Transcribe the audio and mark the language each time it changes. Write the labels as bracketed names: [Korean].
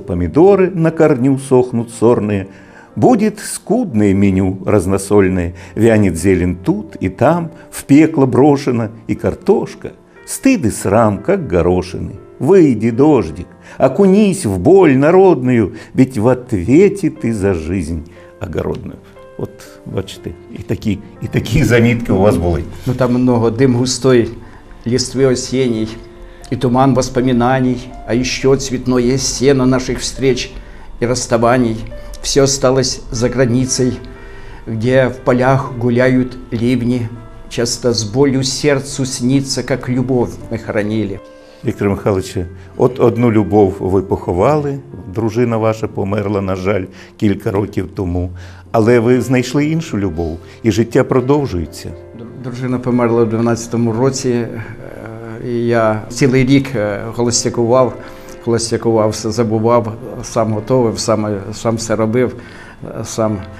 [Russian] Помидоры на корню сохнут сорные. Будет скудное меню разносольное. Вянет зелень тут и там, в пекло брошено. И картошка, стыд и срам, как горошины. Выйди, дождик, окунись в боль народную, ведь в ответе ты за жизнь огородную. [Ukrainian] Вот, бачите, и такі замітки у вас були. [Russian] Ну там много дым густой, листвы осенней, и туман воспоминаний, а еще цветное сено наших встреч и расставаний. Все осталось за границей, где в полях гуляют ливни. Часто с болью сердцу снится, как любовь мы хоронили. [Ukrainian] Віктор Михайлович, от одну любов ви поховали, дружина ваша померла, на жаль, кілька років тому, але ви знайшли іншу любов, і життя продовжується. Дружина померла в 12-му році, і я цілий рік холостякував, все забував, сам готовив, сам все робив, сам.